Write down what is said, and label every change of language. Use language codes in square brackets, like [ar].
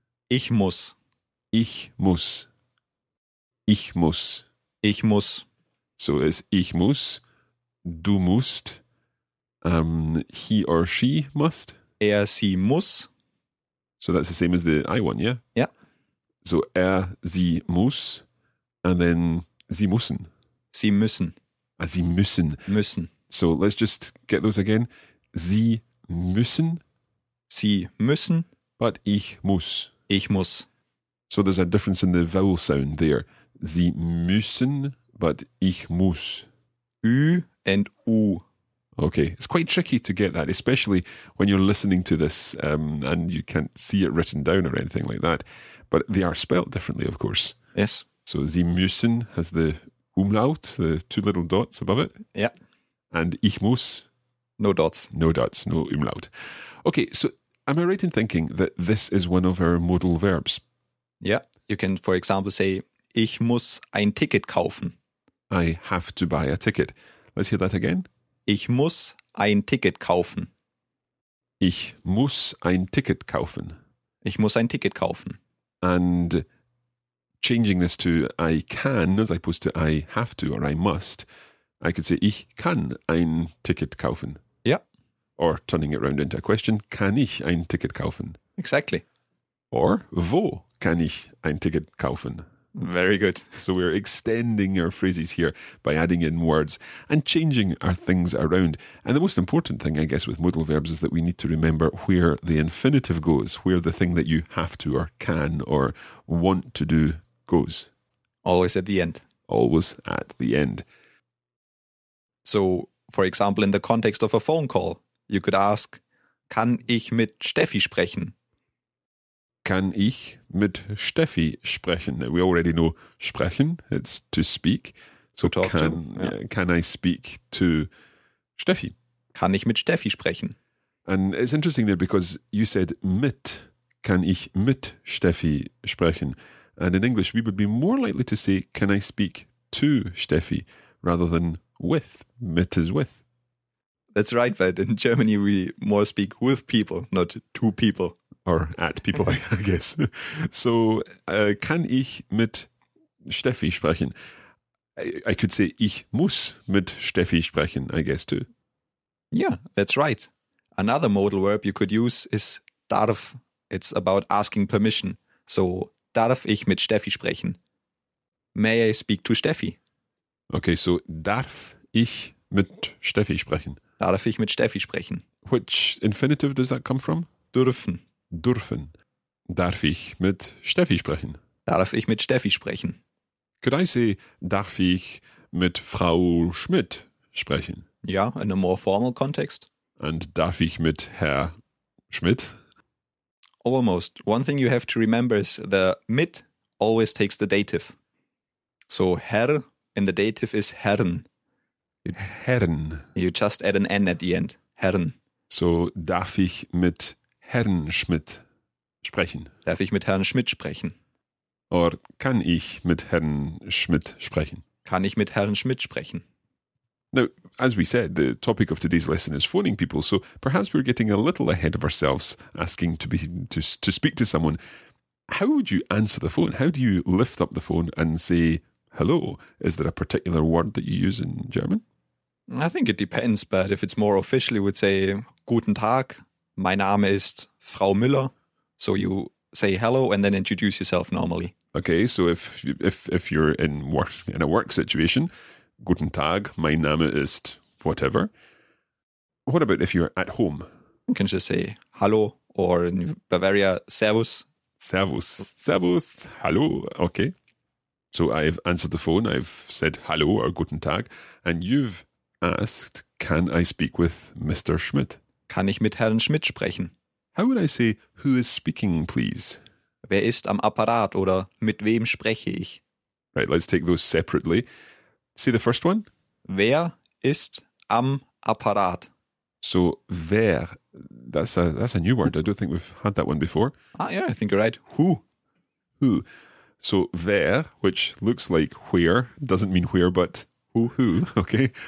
[de] Ich muss. Ich muss. Ich muss. Ich muss. [en] So it's [de] ich muss. Du musst, [en] he or she must. [de] Er, sie muss. [en] So that's the same as the I one, yeah? Yeah. So [de] er, sie muss, [en] and then [de] sie müssen. Sie müssen. Ah, sie müssen. Müssen. [en] So let's just get those again. [de] Sie müssen. Sie müssen. But ich muss. Ich muss. [en] So there's a difference in the vowel sound there. [de] Sie müssen, but ich muss. Ü. And U. [en] Okay, it's quite tricky to get that, especially when you're listening to this and you can't see it written down or anything like that. But they are spelt differently, of course. Yes. So Sie müssen has the umlaut, the two little dots above it. Yeah. And ich muss. No dots. No dots, no umlaut. Okay, so am I right in thinking that this is one of our modal verbs? Yeah, you can, for example, say [de] ich muss ein Ticket kaufen. [en] I have to buy a ticket. Let's hear that again. [de] Ich muss ein Ticket kaufen. Ich muss ein Ticket kaufen. Ich muss ein Ticket kaufen. [en] And changing this to I can, as opposed to I have to or I must, I could say [de] ich kann ein Ticket kaufen. [en] Yeah. Or turning it around into a question, [de] kann ich ein Ticket kaufen? [en] Exactly. [de] Or wo kann ich ein Ticket kaufen? [en] Very good. So we're extending our phrases here by adding in words and changing our things around. And the most important thing, I guess, with modal verbs is that we need to remember where the infinitive goes, where the thing that you have to or can or want to do goes. Always at the end. Always at the end. So, for example, in the context of a phone call, you could ask, [de] kann ich mit Steffi sprechen? Kann ich mit Steffi sprechen? [en] We already know sprechen, it's to speak. So to talk can, to, yeah. Can I speak to Steffi? [de] Kann ich mit Steffi sprechen? [en] And it's interesting there because you said mit, [de] kann ich mit Steffi sprechen? [en] And in English we would be more likely to say can I speak to Steffi rather than with, mit is with. That's right, but in Germany we more speak with people, not to people. Or at people, I guess. [de] So, kann ich mit Steffi sprechen? [en] I could say, [de] ich muss mit Steffi sprechen, [en] I guess, too. Yeah, that's right. Another modal verb you could use is darf. It's about asking permission. [de] So, darf ich mit Steffi sprechen? [en] May I speak to Steffi? [de] Okay, so darf ich mit Steffi sprechen? Darf ich mit Steffi sprechen? [en] Which infinitive does that come from? [de] Dürfen. Dürfen. Darf ich mit Steffi sprechen? Darf ich mit Steffi sprechen? [en] Could I say, [de] darf ich mit Frau Schmidt sprechen? [en] Ja, in a more formal context. [de] And darf ich mit Herr Schmidt? [en] Almost. One thing you have to remember is the mit always takes the dative. So Herr in the dative is Herren. [de] Herren. [en] You just add an N at the end. [de] Herren. So darf ich mit Herrn Schmidt sprechen? Darf ich mit Herrn Schmidt sprechen? Or kann ich mit Herrn Schmidt sprechen? Kann ich mit Herrn Schmidt sprechen? [en] Now, as we said, the topic of today's lesson is phoning people, so perhaps we're getting a little ahead of ourselves asking to speak to someone. How would you answer the phone? How do you lift up the phone and say hello? Is there a particular word that you use in German? I think it depends, but if it's more official, you would say [de] Guten Tag, mein Name ist Frau Müller. [en] So you say hello and then introduce yourself normally. Okay, so if you're in a work situation, [de] Guten Tag, mein Name ist [en] whatever. What about if you're at home? You can just say hallo, or in Bavaria, Servus. [de] Servus. Servus. Hallo. Okay. [en] So I've answered the phone, I've said hallo or Guten Tag, and you've asked, can I speak with Mr. Schmidt? [de] Kann ich mit Herrn Schmidt sprechen? [en] How would I say, who is speaking, please? [de] Wer ist am Apparat oder mit wem spreche ich? [en] Right, let's take those separately. See the first one. [de] Wer ist am Apparat? [en] So, wer, that's a new word. I don't think we've had that one before. Ah, yeah, I think you're right. Who? Who. So, wer, which looks like where, doesn't mean where, but who, okay?